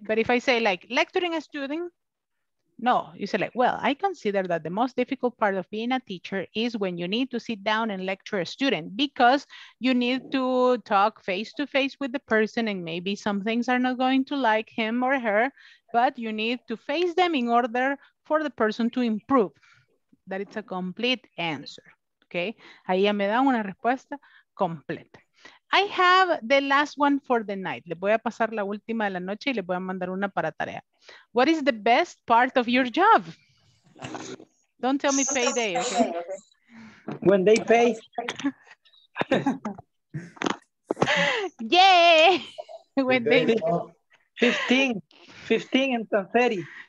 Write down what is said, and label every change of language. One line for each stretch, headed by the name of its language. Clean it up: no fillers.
English: But if I say like lecturing a student, no, you say like, well, I consider that the most difficult part of being a teacher is when you need to sit down and lecture a student because you need to talk face to face with the person and maybe some things are not going to like him or her, but you need to face them in order for the person to improve. That it's a complete answer, okay?
Spanish: Ahí ya me dan una respuesta completa.
English: I have the last one for the night.
Spanish: Le voy a pasar la última de la noche y le voy a mandar una para tarea.
English: What is the best part of your job? Don't tell me payday, okay? When they pay. Yay! When they pay. 15 and 30.